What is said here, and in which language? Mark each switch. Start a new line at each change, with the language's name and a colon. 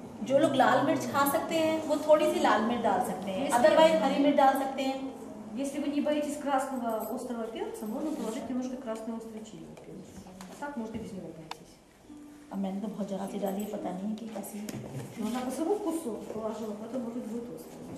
Hindi: जो लोग लाल मिर्च खा सकते हैं वो थोड़ी सी लाल मिर्च डाल सकते हैं. अदरवाइज हरी मिर्च डाल सकते हैं.
Russian: если вы не боитесь красного острого перца, можно положить немножко красный острый чили перец. так можно без него обойтись.
Hindi: а मैंने तो बहुत ज़्यादा चीज़ डाली है, पता नहीं कि कैसी.
Russian: но она по своему вкусу положила, поэтому может быть будет острый.